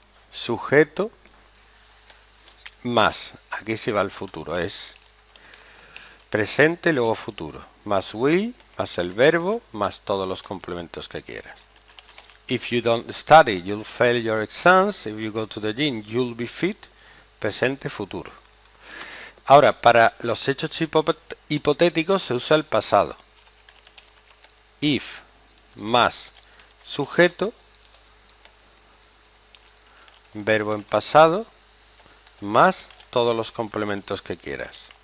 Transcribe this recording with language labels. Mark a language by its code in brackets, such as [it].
[es] Sujeto más. Aquí sí va el futuro. Es presente y luego futuro. Más will. Más el verbo, más todos los complementos que quieras. [en] If you don't study, you'll fail your exams. If you go to the gym, you'll be fit. [es] Presente, futuro. Ahora, para los hechos hipotéticos se usa el pasado. If más sujeto, verbo en pasado, más todos los complementos que quieras.